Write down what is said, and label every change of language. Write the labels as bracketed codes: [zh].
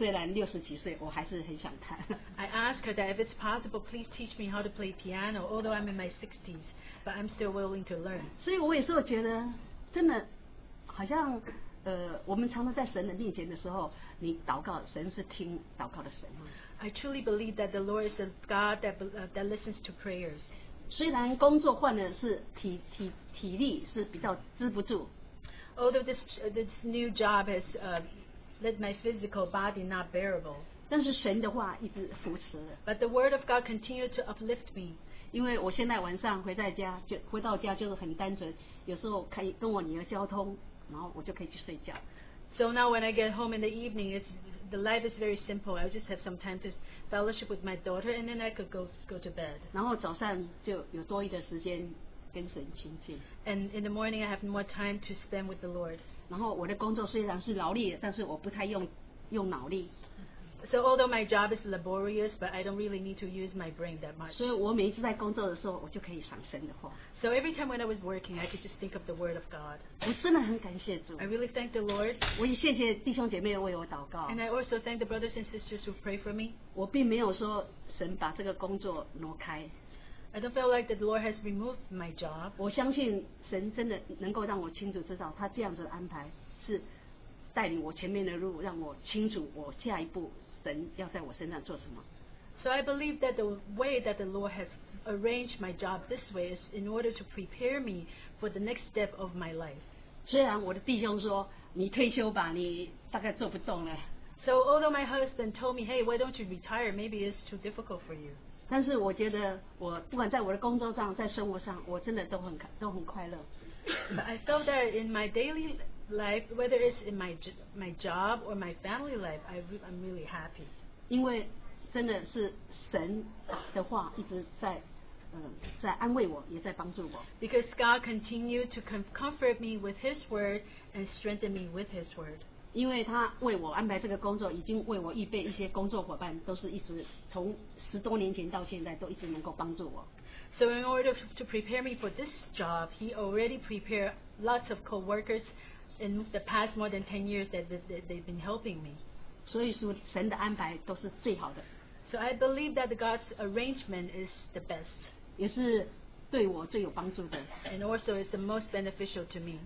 [zh] 我说,如果可能的话,你教我,我虽然60几岁,我还是很想弹。 [en] I asked her that if it's possible, please teach me how to play piano, although I'm in my 60s, but I'm still willing to learn. [zh] 所以我也是觉得,真的, 好像, 我们常常在神的面前的时候, 你祷告,神是听祷告的神。 [en] I truly believe that the Lord is a God that, that listens to prayers. [zh] 虽然工作换的是体力是比较支不住, [en] although this new job has let my physical body not bearable, [zh] 但是神的话一直扶持, [en] but the word of God continued to uplift me. [zh] 因为我现在晚上回到家就很单纯,有时候可以跟我女儿交通, 然后我就可以去睡觉。 [en] So now when I get home in the evening, it's, the life is very simple. I just have some time to fellowship with my daughter and then I could go to bed. [zh] 然后早上就有多余的时间跟神亲近。 [en] And in the morning, I have more time to spend with the Lord. [zh] 然后我的工作虽然是劳力的，但是我不太用脑力。 [en] So although my job is laborious, but I don't really need to use my brain that much. [zh] 所以我每一次在工作的时候，我就可以想神的话。 [en] So every time when I was working, I could just think of the word of God. [zh] 我真的很感谢主。 [en] I really thank the Lord. [zh] 我也谢谢弟兄姐妹为我祷告。 [en] And I also thank the brothers and sisters who pray for me. [zh] 我并没有说神把这个工作挪开。 [en] I don't feel like the Lord has removed my job. [zh] 我相信神真的能够让我清楚知道他这样子的安排是带领我前面的路，让我清楚我下一步神要在我身上做什么。 [en] So I believe that the way that the Lord has arranged my job this way is in order to prepare me for the next step of my life. [zh] 虽然我的弟兄说你退休吧，你大概做不动了。 [en] So although my husband told me, hey, why don't you retire? Maybe it's too difficult for you. [zh] 但是我觉得我不管在我的工作上，在生活上，我真的都很快乐。 [en] But I felt that in my daily life, whether it's in my job or my family life, I'm really happy. [zh] 因为真的是神的话一直在在安慰我，也在帮助我。 [en] Because God continued to comfort me with His word and strengthen me with His word. [zh] 因为他为我安排这个工作，已经为我预备一些工作伙伴，都是一直从十多年前到现在都一直能够帮助我。 [en] So in order to prepare me for this job, He already prepared lots of co-workers. In the past more than 10 years that they've been helping me. [zh] 所以说神的安排都是最好的。 [en] So I believe that God's arrangement is the best. [zh] 也是对我最有帮助的。 [en] And also is the most beneficial to me.